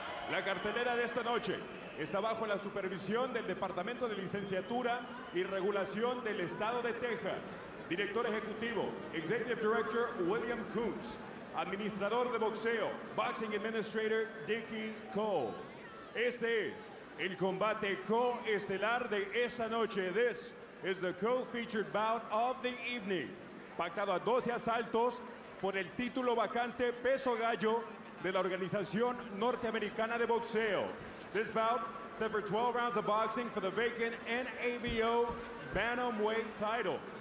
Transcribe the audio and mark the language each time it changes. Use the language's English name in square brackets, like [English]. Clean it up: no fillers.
[Spanish] La cartelera de esta noche está bajo la supervisión del Departamento de Licenciatura y Regulación del Estado de Texas. Director Ejecutivo, [English] Executive Director [Spanish] William Koontz. Administrador de Boxeo, [English] Boxing Administrator [Spanish] Dickie Cole. Este es el combate coestelar de esta noche. [English] This is the co-featured bout of the evening. [Spanish] Pactado a 12 asaltos por el título vacante peso gallo de la Organización Norteamericana de Boxeo. [English] This bout set for 12 rounds of boxing for the vacant NABO Bantamweight title.